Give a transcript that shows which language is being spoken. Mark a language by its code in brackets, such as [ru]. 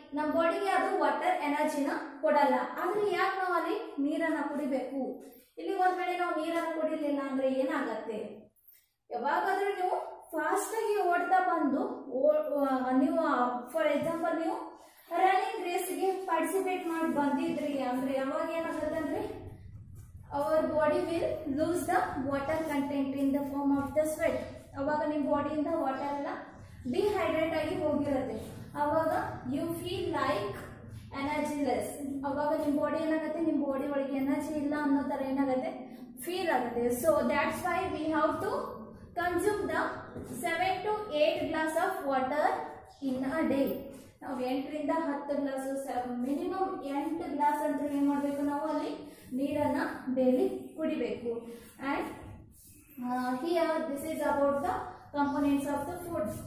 [kn] ನಮ್ಮ ಬಾಡಿಗೆ ಅದು ವಾಟರ್ ಎನರ್ಜಿನ ಕೊಡಲ್ಲ. ಆದ್ರೆ ಯಾಕೆ ನಾವು ಅಲ್ಲಿ ನೀರನ್ನ ಕುಡಿಬೇಕು, ಇಲ್ಲಿ ಒಂದ್ಮೇಲೆ ನಾವು ನೀರನ್ನ ಕುಡಿಲಿಲ್ಲ ಅಂದ್ರೆ ಏನಾಗತ್ತೆ. ಯಾವಾಗಾದ್ರೂ ನೀವು ಫಾಸ್ಟ್ ಆಗಿ ಓಡ್ತಾ ಬಂದು ನೀವು [en] for example [kn] ನೀವು ರನ್ನಿಂಗ್ ರೇಸ್ಗೆ ಪಾರ್ಟಿಸಿಪೇಟ್ ಮಾಡಿ ಬಂದಿದ್ರಿ ಅಂದ್ರೆ ಯಾವಾಗ ಏನಾಗುತ್ತೆ ಅಂದ್ರೆ [en] our body will lose the water content in the form of the sweat. [kn] ಅವಾಗ ನಿಮ್ಮ ಬಾಡಿ ಇಂದ ವಾಟರ್ ಎಲ್ಲ ಡಿಹೈಡ್ರೇಟ್ ಆಗಿ ಹೋಗಿರುತ್ತೆ. [en] ಅವಾಗ you feel like energyless. [kn] ಅವಾಗ ನಿಮ್ಮ ಬಾಡಿ ಏನಾಗುತ್ತೆ, ನಿಮ್ಮ ಬಾಡಿ ಒಳಗೆ ಎನರ್ಜಿ ಇಲ್ಲ ಅನ್ನೋ ತರ ಏನಾಗುತ್ತೆ, ಫೀಲ್ ಆಗುತ್ತೆ. [en] So that's why we have to consume the 7 to 8 glass of water in a day. [kn] ನಾವು 8 to 10 ಗ್ಲಾಸ್, ಮಿನಿಮಮ್ 8 ಗ್ಲಾಸ್ ಅಂತ ಏನ್ ಮಾಡ್ಬೇಕು, ನಾವು ಅಲ್ಲಿ ನೀರನ್ನ ಡೈಲಿ ಕುಡಿಬೇಕು. [en] And here this is about the components of the food.